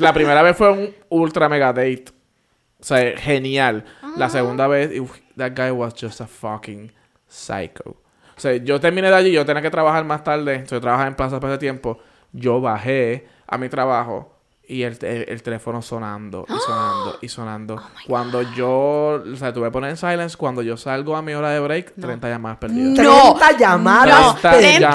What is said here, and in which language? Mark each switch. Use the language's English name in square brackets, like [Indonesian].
[Spanish] la primera vez fue un ultra mega date. O sea, genial. La segunda vez, [English] that guy was just a fucking psycho. [Spanish] O sea, yo terminé de allí, yo tenía que trabajar más tarde. O sea, yo trabajaba en Plaza para ese tiempo. Yo bajé a mi trabajo y el teléfono sonando y sonando y sonando. Oh, cuando yo, o sea, tuve que poner en silence, cuando yo salgo a mi hora de break, 30 llamadas perdidas. ¡No! ¡30 llamadas perdidas!